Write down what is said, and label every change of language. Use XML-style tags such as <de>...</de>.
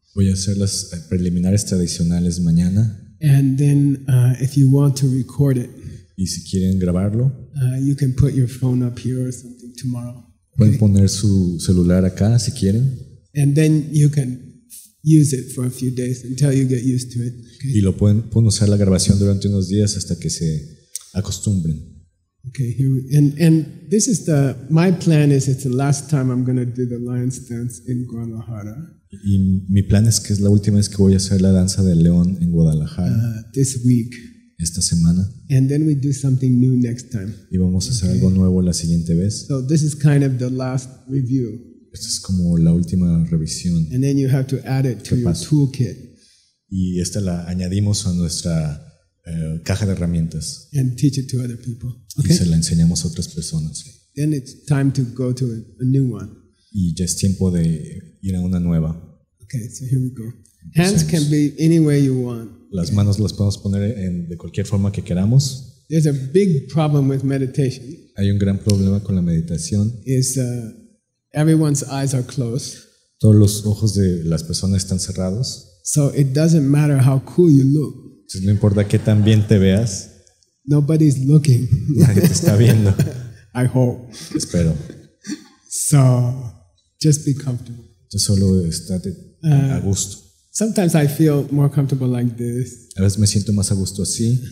<es>Voy a hacer las preliminares tradicionales mañana.</es> <en>And then if you want to record it,</en> <es>y si quieren grabarlo,</es> <en>you can put your phone up here or something tomorrow.</en> <es>Pueden poner su celular acá si quieren.</es> <en>And then you can use it for a few days until you get used to it. Okay?</en> <es>Y lo pueden usar la grabación durante unos días hasta que se acostumbren.</es> <en>Okay, here we, and this is the, my plan is it's the last time I'm going to do the lion's dance in Guadalajara.</en> <es>Y mi plan es que es la última vez que voy a hacer la danza del león en Guadalajara.</es> <en>This week.</en> <es>Esta semana.</es> <en>And then we do something new next time.</en> <es>Y vamos a hacer algo nuevo la siguiente vez.</es> <en>So this is kind of the last review.</en> <es>Esto es como la última revisión.</es> <en>And then you have to add it to your toolkit.</en> <es>Y esta la añadimos a nuestra caja de herramientas.</es> <en>And teach it to other people.</en> <es>Okay. Y se la enseñamos a otras personas.</es> <en>Then it's time to go to a new one.</en> <es>Y ya es tiempo de ir a una nueva.</es> <en>Okay, so here we go. Hands can be any way you want.</en> <es>Las manos las podemos poner en de cualquier forma que queramos.</es> <en>There's a big problem with meditation.</en> <es>Hay un gran problema con la meditación.</es> <en>Is everyone's eyes are closed.</en> <es>Todos los ojos de las personas están cerrados.</es> <en>So it doesn't matter how cool you look.</en> <es>Entonces no importa qué tan bien te veas.</es> <en>Nobody's looking.</en> <es>Nadie te está viendo.</es> <en>I hope.</en> <es>Espero.</es> <en>So, just be comfortable.</en> <es>Entonces solo estate a gusto.</es> <en>Sometimes I feel more comfortable like this.</en> <es>A veces me siento más a gusto así.</es>